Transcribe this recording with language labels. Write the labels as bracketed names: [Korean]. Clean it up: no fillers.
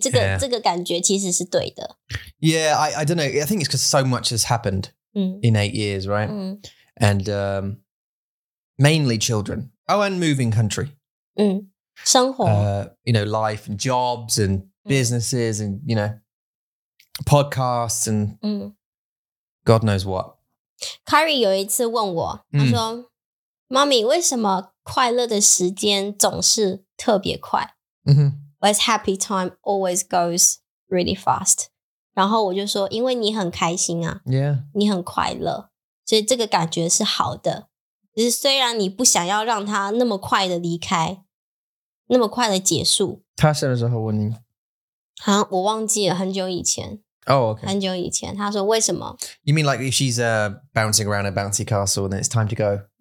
[Chinese] 而且这个感觉是对的,因为你觉得没有很快,所以这个感觉其实是对的。 [English] Yeah, I don't know. I think it's because so much has happened in 8 years, right? And mainly children. Oh, and moving country. [Chinese] 生活. [English] You know, life and jobs and businesses and, you know, podcasts and God knows what. [Chinese] Kari有一次问我, 他说, Mommy, 为什么快乐的时间总是特别快? [English] Why's happy time always goes really fast? [Chinese] 然后我就说, 因为你很开心啊, [English] yeah. [Chinese] 你很快乐。所以这个感觉是好的，就是虽然你不想要让他那么快的离开，那么快的结束。他什么时候问你？好，我忘记了，很久以前。Oh, [English] okay. [Chinese] 很久以前，他说为什么？ [English] You mean like if she's bouncing around a bouncy castle and it's time to go?